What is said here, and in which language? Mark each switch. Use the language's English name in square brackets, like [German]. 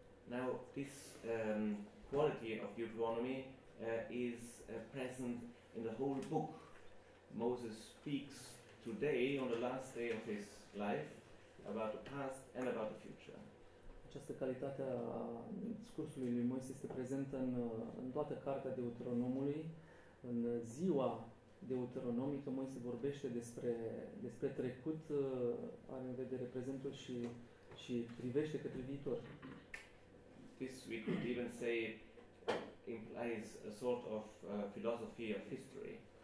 [English] Now, this quality of Deuteronomy is present in the whole book. Moses speaks today, on the last day of his life, about the past and about the future. [Romanian] Această calitate a discursului lui Moise este prezentă în toată cartea Deuteronomului. În ziua deuteronomică, Moise vorbește despre trecut, are în vedere prezentul și privește către viitor. [English] This we could even say implies a sort of philosophy of history.